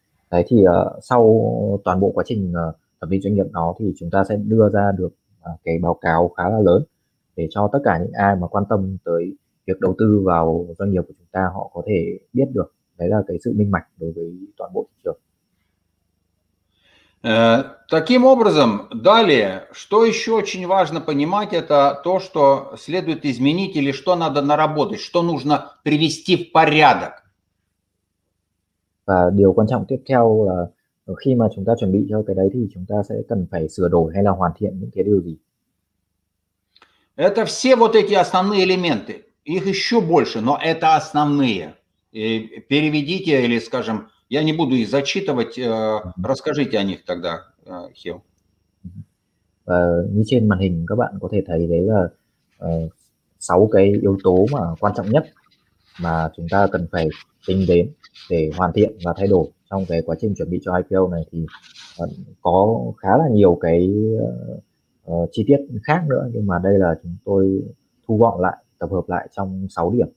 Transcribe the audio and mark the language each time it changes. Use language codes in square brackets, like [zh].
[vi] Đấy thì sau toàn bộ quá trình thẩm định doanh nghiệp đó thì chúng ta sẽ đưa ra được cái báo cáo khá là lớn để cho tất cả những ai mà quan tâm tới việc đầu tư vào doanh nghiệp của chúng ta họ có thể biết được. Đấy là cái sự minh bạch đối với toàn bộ thị trường. [ru] Таким образом, далее, что еще очень важно понимать, это то, что следует изменить или что надо наработать, что нужно привести в порядок. [vi] Và điều quan trọng tiếp theo là khi mà chúng ta chuẩn bị cho cái đấy thì chúng ta sẽ cần phải sửa đổi hay là hoàn thiện những cái điều gì. [ru] Это все вот эти основные элементы. Их еще больше, но это основные. И переведите или, скажем, я не буду их зачитывать, расскажите о них тогда, Хил. [vi] Như trên màn hình các bạn có thể thấy đấy là 6 cái yếu tố mà quan trọng nhất mà chúng ta cần phải tính đến để hoàn thiện và thay đổi trong cái quá trình chuẩn bị cho IPO này, thì có khá là nhiều cái chi tiết khác nữa, nhưng mà đây là chúng tôi thu gọn lại, tập hợp lại trong 6 điểm.